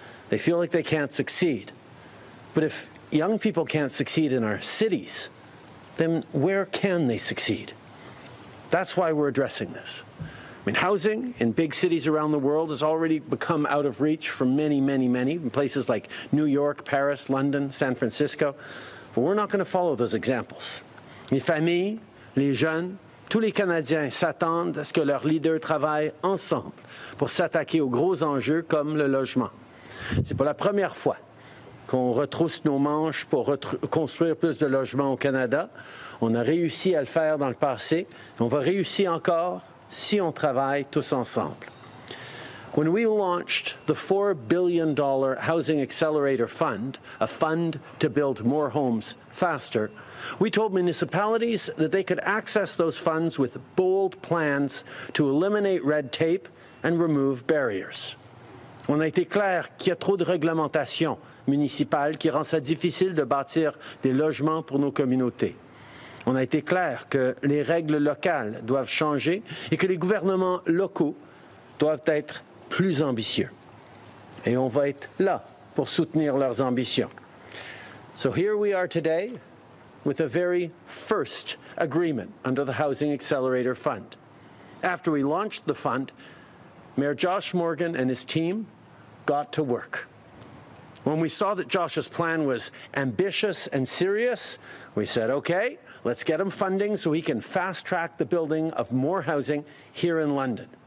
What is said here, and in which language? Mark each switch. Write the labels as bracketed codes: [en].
[en] They feel like they can't succeed. But if young people can't succeed in our cities, then where can they succeed? That's why we're addressing this. I mean, housing in big cities around the world has already become out of reach for many, many, many, in places like New York, Paris, London, San Francisco. But we're not going to follow those examples. [fr] Les familles, les jeunes, tous les Canadiens s'attendent à ce que leurs leaders travaillent ensemble pour s'attaquer aux gros enjeux comme le logement. C'est pour la première fois qu'on retrousse nos manches pour construire plus de logements au Canada. On a réussi à le faire dans le passé. On va réussir encore si on travaille tous ensemble. [en] When we launched the $4 billion Housing Accelerator Fund, a fund to build more homes faster, we told municipalities that they could access those funds with bold plans to eliminate red tape and remove barriers. [fr] On a été clair qu'il y a trop de réglementation municipale qui rend ça difficile de bâtir des logements pour nos communautés. On a été clair que les règles locales doivent changer et que les gouvernements locaux doivent être plus ambitieux. Et on va être là pour soutenir leurs ambitions. [en] So here we are today with a very first agreement under the Housing Accelerator Fund. After we launched the fund, Mayor Josh Morgan and his team got to work. When we saw that Josh's plan was ambitious and serious, we said, okay, let's get him funding so he can fast-track the building of more housing here in London.